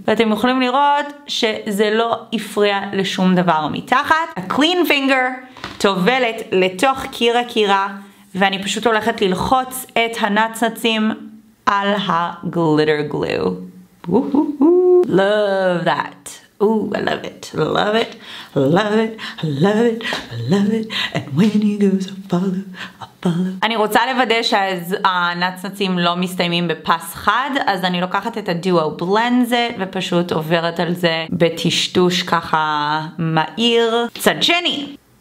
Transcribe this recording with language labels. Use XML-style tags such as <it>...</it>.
<he>ואתם יכולים לראות שזה לא הפריע לשום דבר מתחת.</he> <en>A clean finger</en> <he>טובלת לתוך קירה קירה, ואני פשוט הולכת ללחוץ את הנצנצים על הגליטר גלו.</he> <en>Love that. Ooh, I love it, love it, love it, love it, love it, and when he goes, I follow, I follow.</en> <he>אני רוצה לוודא שהנצנצים לא מסתיימים בפס חד, אז אני לוקחת את הדואו בלנזט ופשוט עוברת על זה בטשטוש ככה מהיר. צד שני!</he>